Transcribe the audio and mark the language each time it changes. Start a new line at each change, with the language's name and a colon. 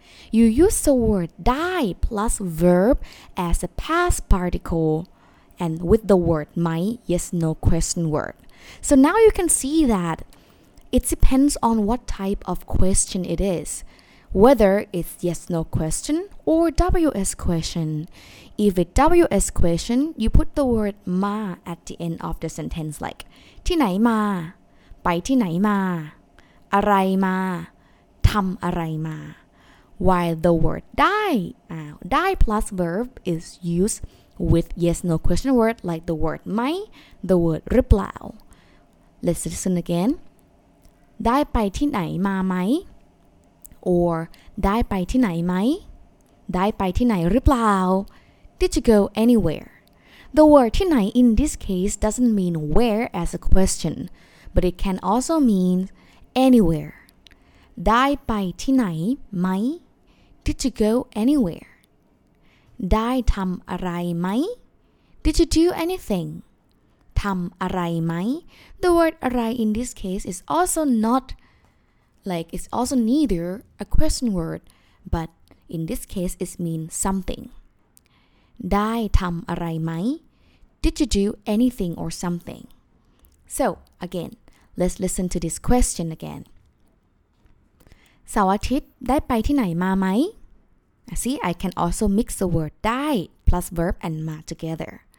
English: You use the word die plus verb as a past particle and with the word my yes no question word. So now you can see that it depends on what type of question it is, whether it's yes no question or WS question. If it's WS question, you put the word ma at the end of the sentence like
Thai: ที่ไหนมา ไปที่ไหนมา อะไรมา ทำอะไรมา
English: While the word die, die plus verb is used with yes no question word like the word ไหม the word หรือเปล่า Let's listen again.
Thai: ได้ไปที่ไหนมาไหม Or ได้ไปที่ไหนไหม ได้ไปที่ไหนหรือเปล่า
English: Did you go anywhere? The word ที่ไหน in this case doesn't mean where as a question, but it can also mean anywhere.
Thai: ได้ไปที่ไหนไหม
English: Did you go anywhere?
Thai: ได้ทำอะไรไหม
English: Did you do anything?
Thai: ทำอะไรไหม
English: The word อะไร in this case is also not, like, it's also neither a question word, but in this case it means something.
Thai: ได้ทำอะไรไหม
English: Did you do anything or something? So, again, let's listen to this question again.
Thai: เสาร์อาทิตย์ได้ไปที่ไหนมาไหม
English: See, I can also mix the word ได้ plus verb and มา together.